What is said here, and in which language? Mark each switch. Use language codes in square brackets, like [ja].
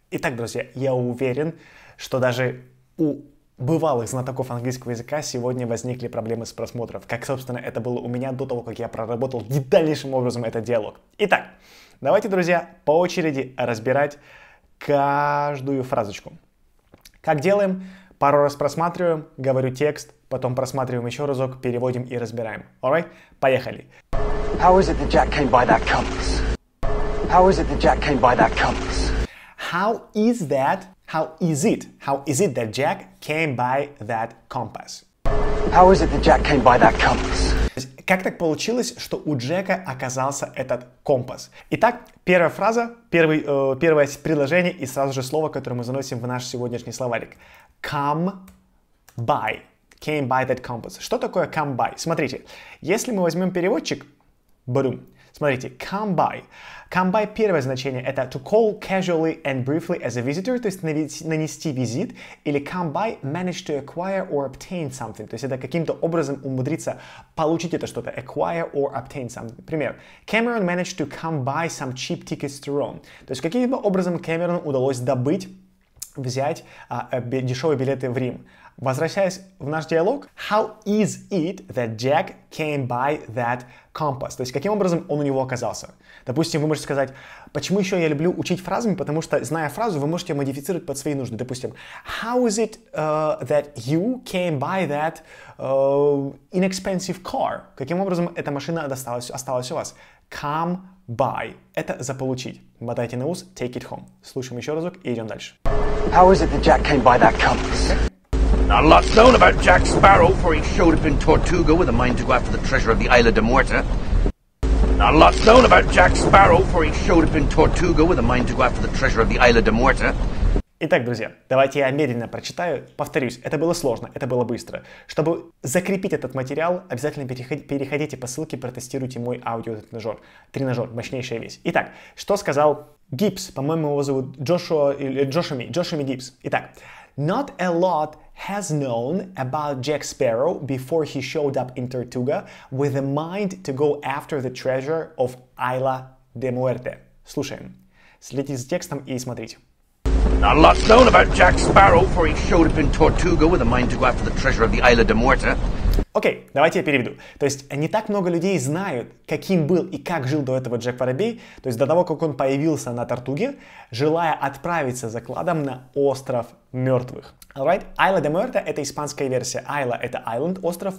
[ru] Итак, друзья, я уверен, что даже у бывалых знатоков английского языка сегодня возникли проблемы с просмотром, как, собственно, это было у меня до того, как я проработал детальнейшим образом этот диалог. Итак, давайте, друзья, по очереди разбирать каждую фразочку. Как делаем? Пару раз просматриваем, говорю текст, потом просматриваем еще разок, переводим и разбираем. [en] Alright? [ru] Поехали. [en] How is it that Jack came by that compass? How is it that Jack came by that compass? How is that? How is it? How is it that Jack came by that compass? How is it that Jack came by that compass? [ru] Как так получилось, что у Джека оказался этот компас? Итак, первая фраза, первое предложение и сразу же слово, которое мы заносим в наш сегодняшний словарик. Come by. [en] came by that compass. [ru] Что такое [en] come by? [ru] Смотрите, если мы возьмем переводчик, бадум, смотрите, come by. [en] Come by [ru] первое значение это [en] to call casually and briefly as a visitor, [ru] то есть нанести визит, или [en] come by manage to acquire or obtain something, [ru] то есть это каким-то образом умудриться получить это что-то, [en] acquire or obtain something. [ru] Например, [en] Cameron managed to come by some cheap tickets to Rome, [ru] то есть каким-то образом Cameron удалось взять дешевые билеты в Рим. Возвращаясь в наш диалог, [en] how is it that Jack came by that compass? [ru] То есть, каким образом он у него оказался? Допустим, вы можете сказать, почему еще я люблю учить фразами, потому что, зная фразу, вы можете модифицировать под свои нужды. Допустим, [en] how is it that you came by that inexpensive car? [ru] Каким образом эта машина осталась у вас? Come by. Это заполучить. Мотайте на ус, [en] take it home. [ru] Слушаем еще разок и идем дальше. [en] How is it that Jack came by that compass? Not a lot known about Jack Sparrow, for he showed up in Tortuga with a mind to go after the treasure of the Isla de Morta. Not a lot known about Jack Sparrow, for he showed up in Tortuga with a mind to go after the treasure of the Isla de Morta. [ru] Итак, друзья, давайте я медленно прочитаю. Повторюсь, это было сложно, это было быстро. Чтобы закрепить этот материал, обязательно переходите по ссылке, протестируйте мой аудио-тренажер, мощнейшая вещь. Итак, что сказал Гибс? По-моему, его зовут Джошуа Гибс. Итак, [en] not a lot has known about Jack Sparrow before he showed up in Tortuga with a mind to go after the treasure of Isla de Muerte. [ru] Слушаем. Следите за текстом и смотрите. [en] Not a lot known about Jack Sparrow, for he showed up in Tortuga with a mind to go after the treasure of the Isla de Morta. [ru] Окей, давайте я переведу. То есть, не так много людей знают, каким был и как жил до этого Джек Воробей, то есть, до того, как он появился на Тортуге, желая отправиться за кладом на остров мертвых. [en] Alright? [ru] Isla de Muerta — это испанская версия. Isla — это island, остров.